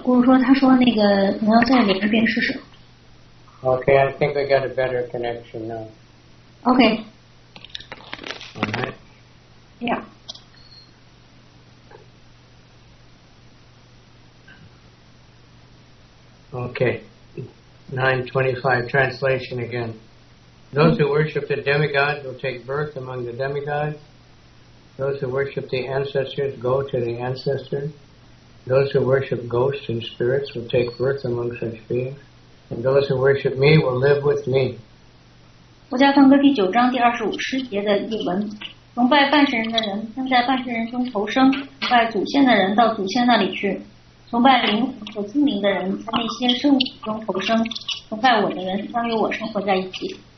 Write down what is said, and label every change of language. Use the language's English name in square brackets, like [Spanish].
[Chinese] 姑姑说，她说那个你要在里面边试试。 [English] Okay, I think we got a better connection now. Okay. All right. Yeah. Okay. 9:25 translation again. Those who worship the demigods will take birth among the demigods. Those who worship the ancestors go to the ancestors. Those who worship ghosts and spirits will take birth among such beings. And those who worship me will live with me. [Chinese] 佛家梵歌第九章第二十五诗节的译文：崇拜半神人的人将在半神人中投生，崇拜祖先的人到祖先那里去，崇拜灵魂和精灵的人在那些生物中投生，崇拜我的人将与我生活在一起。